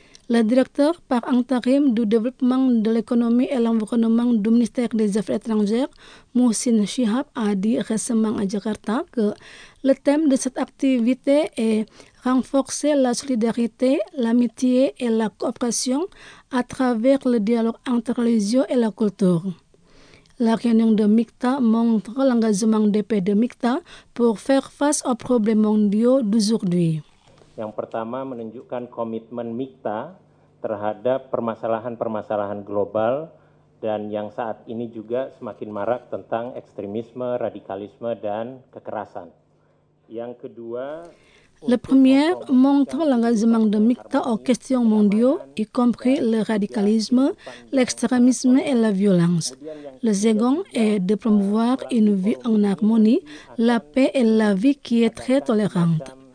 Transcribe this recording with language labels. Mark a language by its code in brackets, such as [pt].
[fr] Le directeur par intérim du développement de l'économie et l'environnement du ministère des Affaires étrangères, Mohsin Shihab, a dit récemment à Jakarta que le thème de cette activité est « Renforcer la solidarité, l'amitié et la coopération à travers le dialogue entre les religions et la culture ». La réunion de Mikta montre l'engagement des pays de Mikta pour faire face aux problèmes mondiaux d'aujourd'hui. [id] Yang pertama menunjukkan komitmen MIKTA terhadap permasalahan-permasalahan global dan yang saat ini juga semakin marak tentang ekstremisme, radikalisme dan kekerasan. Yang kedua, [fr] le premier montre l'engagement de MIKTA aux questions mondiaux, y compris le radicalisme, l'extrémisme et la violence. Le second est de promouvoir une vie en harmonie, la paix et la vie qui est très tolérante.